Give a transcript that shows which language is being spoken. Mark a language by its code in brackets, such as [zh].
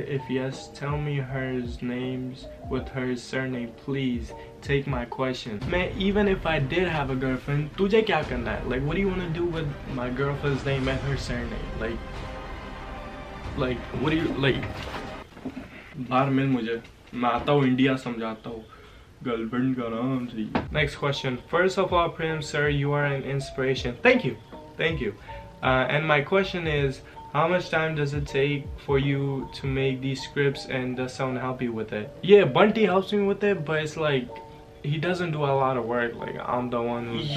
[en] If yes, tell me her names with her surname, please. Take my question. Man, even if I did have a girlfriend, [hi] तुझे क्या करना है? [en] Like, what do you want to do with my girlfriend's name and her surname? Like, what do you, like? [hi] बाहर मिल मुझे। मैं आता who India समझाता who. Girlfriend का नाम से। [en] Next question. First of all, Prem sir, you are an inspiration. Thank you. Thank you. And my question is, how much time does it take for you to make these scripts and does someone help you with it? Yeah, Bunty helps me with it, but it's like, he doesn't do a lot of work. Like, I'm the one who's